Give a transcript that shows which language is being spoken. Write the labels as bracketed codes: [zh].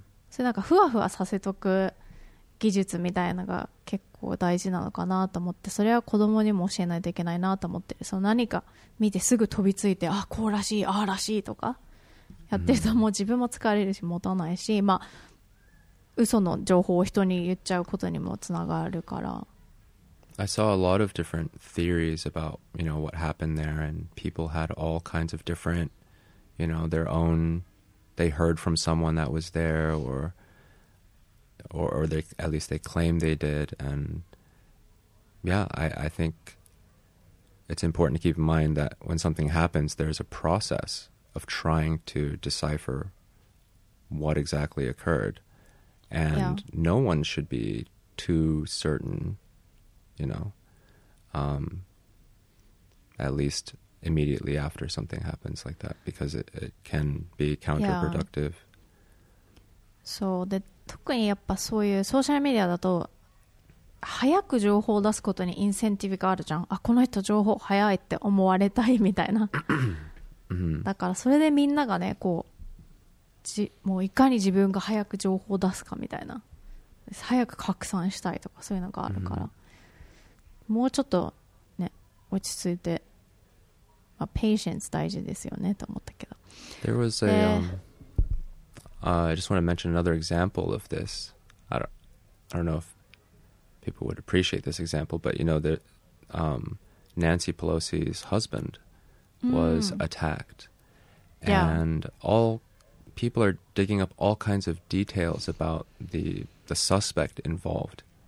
[ja] それなんかふわふわさせとく技術みたいなのが結構大事なのかなと思って、それは子供にも教えないといけないなと思って、その何か見てすぐ飛びついて、あこうらしい、ああらしいとかやってるともう自分も疲れるし持たないし、まあ嘘の情報を人に言っちゃうことにもつながるから。 [en] I saw a lot of different theories about, you know, what happened there, and people had all kinds of different, you know, their own, they heard from someone that was there, or they, at least they claim they did. And yeah, I think it's important to keep in mind that when something happens, there's a process of trying to decipher what exactly occurred. And no one should be too certain, you know, at least immediately after something happens like that, because it can be counterproductive. Yeah. So that [ja] 特にやっぱそういうソーシャルメディアだと早く情報を出すことにインセンティブがあるじゃん、あこの人情報早いって思われたいみたいなだからそれでみんながねこうもういかに自分が早く情報を出すかみたいな、早く拡散したいとかそういうのがあるからもうちょっとね落ち着いて、まあ、patience 大事ですよねと思ったけど。 [en] There was a I just want to mention another example of this. I don't know if people would appreciate this example, but you know that Nancy Pelosi's husband was attacked. And all people are digging up all kinds of details about the suspect involved.